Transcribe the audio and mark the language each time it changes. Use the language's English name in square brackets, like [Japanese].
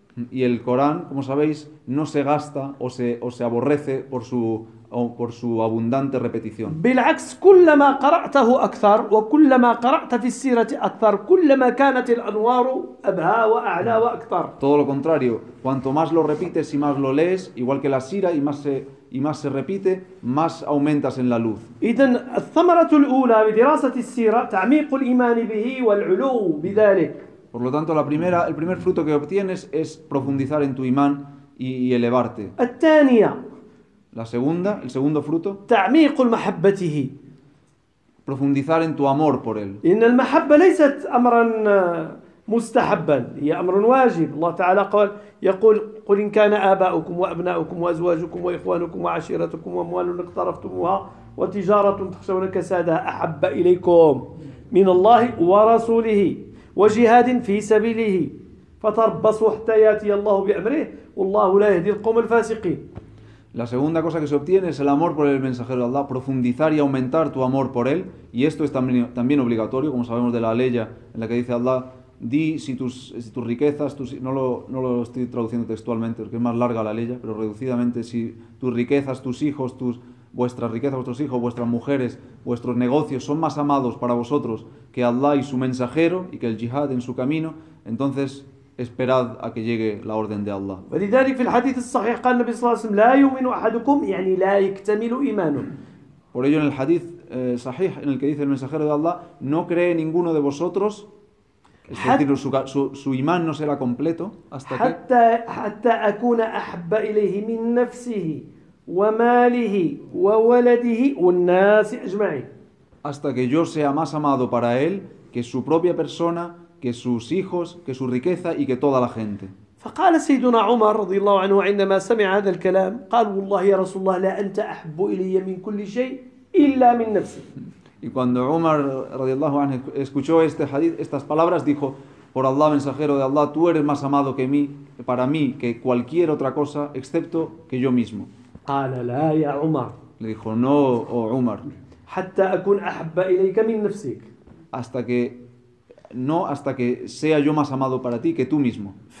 [Spanish] Y el Corán, como sabéis, no se gasta o se aborrece por su abundante repetición. [Arabic] بالعكس كلما قرأته أكثر وكلما قرأت في السيرة أكثر كلما كانت الأنوار أبهى وأعلى وأكثر. [Spanish] Todo lo contrario, cuanto más lo repites y más lo lees, igual que la sira y más se repite, más aumentas en la luz. [Arabic] إذن الثمرة الأولى بدراسة السيرة تعميق الإيمان به والعلو بذلك. [Spanish] Por lo tanto, el primer fruto que obtienes es profundizar en tu imán y elevarte. [Arabic] الثانية. [Spanish] La segunda, el segundo fruto. [Arabic] تعميق محبته. [Spanish] Profundizar en tu amor por él. [Arabic] إن المحبة ليست أمرا مستحبا هي أمر واجب. الله تعالى قال يقول قل إن كان آباؤكم وأبناؤكم وأزواجكم وإخوانكم وعشيرتكم وأموال اقترفتموها وتجارة تخشون كسادها أحب إليكم من الله ورسوله وجهاد في سبيله فتربصوا حتى يأتي الله بأمره والله لا يهدي القوم الفاسقين. [Spanish] La segunda cosa que se obtiene es el amor por el mensajero de Allah, profundizar y aumentar tu amor por él, y esto es también obligatorio, como sabemos de la ley en la que dice Allah, di si tus riquezas, no lo estoy traduciendo textualmente, porque es más larga la ley, pero reducidamente, si tus riquezas, tus hijos, vuestras riquezas, vuestros hijos, vuestras mujeres, vuestros negocios son más amados para vosotros que Allah y su mensajero y que el jihad en su camino, entonces esperad a que llegue la orden de Allah. [Arabic] ولذلك في الحديث الصحيح قال النبي صلى الله عليه وسلم لا يؤمن أحدكم يعني لا يكتمل إيمانه. [Spanish] Por ello en el hadith sahih en el que dice el mensajero de Allah no cree ninguno de vosotros, es decir, su imán no será completo hasta que [Arabic] حتى أكون أحب إليه من نفسه وماله وولده والناس أجمعين. [Spanish] Hasta que yo sea más amado para él que su propia persona, que sus hijos, que su riqueza y que toda la gente. [Arabic] فقال سيدنا عمر رضي الله عنه عندما سمع هذا الكلام قال والله يا رسول الله لا أنت أحب إلي من كل شيء إلا من نفسي. [Spanish] Y cuando Umar [Arabic] رضي الله عنه [Spanish] escuchó este hadith, estas palabras, dijo: por Allah, mensajero de Allah, tú eres más amado que mí, para mí, que cualquier otra cosa, excepto que yo mismo. [Arabic] قال لا يا عمر. [Spanish] Le dijo: no, oh Umar. [Arabic] حتى أكون أحب إليك من نفسك. [Spanish] Hasta que no hasta que sea yo más amado para ti que tú mismo.